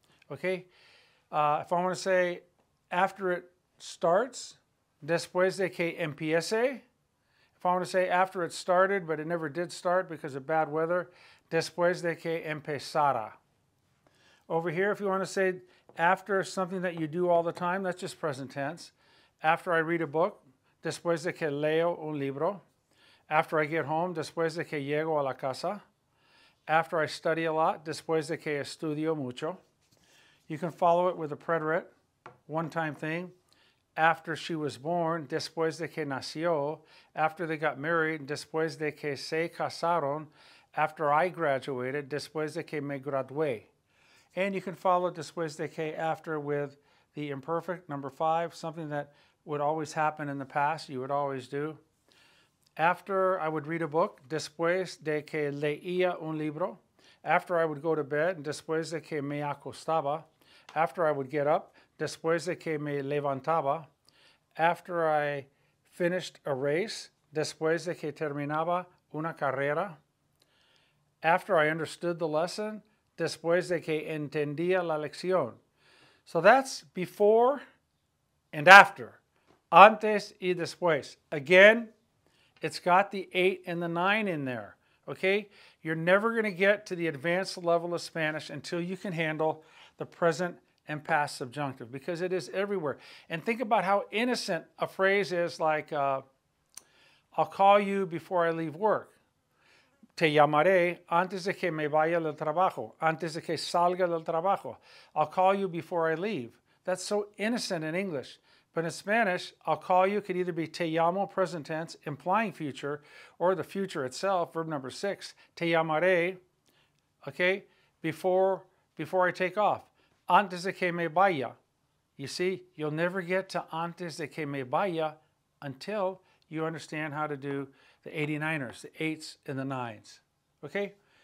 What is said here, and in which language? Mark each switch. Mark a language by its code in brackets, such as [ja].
[en] Okay? If I want to say after it starts, después de que empiece. If I want to say after it started, but it never did start because of bad weather, después de que empezara. Over here, if you want to say after something that you do all the time, that's just present tense. After I read a book, después de que leo un libro. After I get home, después de que llego a la casa. After I study a lot, después de que estudio mucho. You can follow it with a preterite, one-time thing. After she was born, después de que nació. After they got married, después de que se casaron. After I graduated, después de que me gradué. And you can follow después de que after with the imperfect, number 5, something that would always happen in the past, you would always do. After I would read a book, después de que leía un libro. After I would go to bed, después de que me acostaba. After I would get up, después de que me levantaba. After I finished a race, después de que terminaba una carrera. After I understood the lesson, después de que entendía la lección. So that's before and after. [es] antes y después. [en] Again, it's got the 8 and the 9 in there, okay? You're never going to get to the advanced level of Spanish until you can handle the present and past subjunctive, because it is everywhere. And think about how innocent a phrase is, like, I'll call you before I leave work. [es] Te llamaré antes de que me vaya del trabajo, antes de que salga del trabajo. [en] I'll call you before I leave. That's so innocent in English. But in Spanish, I'll call you could either be te llamo, present tense, implying future, or the future itself, verb number 6. Te llamaré, okay, before I take off. Antes de que me vaya. You see, you'll never get to antes de que me vaya until you understand how to do the 89ers, the 8s and the 9s, okay?